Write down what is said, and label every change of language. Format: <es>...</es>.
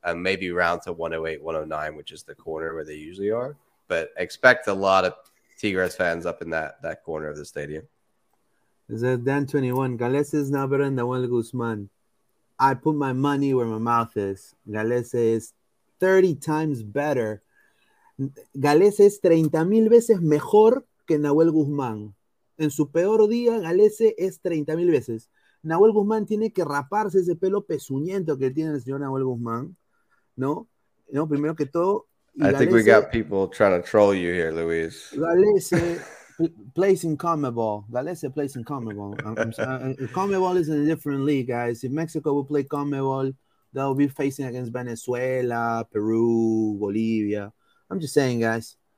<en>And maybe round to 108, 109, which is the corner where they usually are. But expect a lot of Tigres fans up in that corner of the stadium. Is it Dan 21? Galese is now better than Nahuel Guzman. I put my money where my mouth is. Galese is 30 times better.</en> <es>Galese es 30 mil veces mejor que Nahuel Guzmán. En su peor día, Galese es 30 mil veces. Nahuel Guzmán tiene que raparse ese pelo pezuñento que tiene el señor Nahuel Guzmán. ¿No? No, primero que todo.</es> <en>I think we got people trying to troll you here, Luis. Galese plays in CONMEBOL. Galese plays in CONMEBOL. CONMEBOL is in a different league, guys. If Mexico will play CONMEBOL, they'll be facing against Venezuela, Peru, Bolivia. I'm just saying, guys.</en>